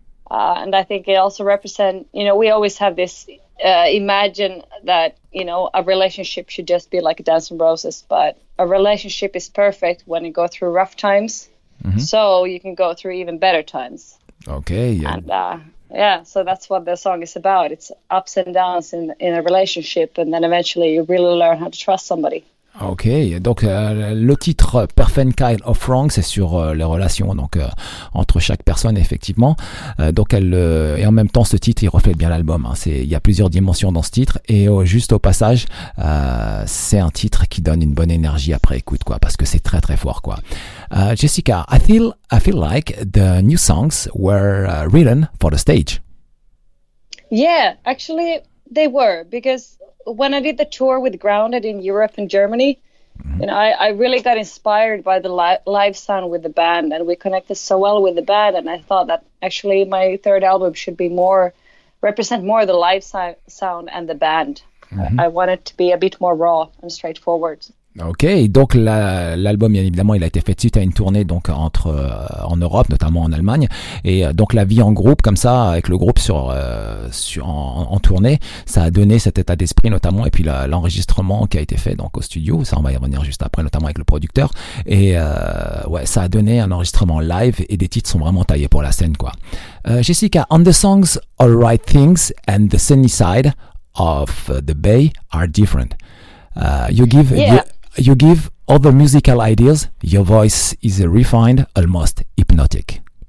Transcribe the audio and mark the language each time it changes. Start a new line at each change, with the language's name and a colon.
English: And I think it also represents, we always have this imagine that, a relationship should just be like a dance and roses, but a relationship is perfect when you go through rough times, mm-hmm. so you can go through even better times. Okay. Yeah. And so that's what the song is about. It's ups and downs in a relationship, and then eventually you really learn how to trust somebody.
French: Ok, donc le titre Perfect Kind of Wrong, c'est sur les relations donc entre chaque personne effectivement. Et en même temps, ce titre il reflète bien l'album. Hein. Il y a plusieurs dimensions dans ce titre, et juste au passage, c'est un titre qui donne une bonne énergie après écoute quoi, parce que c'est très très fort quoi.
English: Jessica, I feel like the new songs were written for the stage. Yeah, actually they were, because when I did the tour with Grounded in Europe and Germany, I really got inspired by the live sound with the band, and we connected so well with the band, and I thought that actually my third album should represent more the live sound and the band. Mm-hmm. I want it to be a bit more raw and straightforward.
French: Ok, donc l'album, bien évidemment, il a été fait suite à une tournée donc en Europe, notamment en Allemagne, et donc la vie en groupe comme ça avec le groupe en tournée, ça a donné cet état d'esprit notamment, et puis l'enregistrement qui a été fait donc au studio, ça on va y revenir juste après, notamment avec le producteur, et ça a donné un enregistrement live et des titres sont vraiment taillés pour la scène quoi.
English: Jessica, on the songs All Right Things and the Sunny Side of the Bay are different. You give other musical ideas. Your voice is refined, almost hypnotic.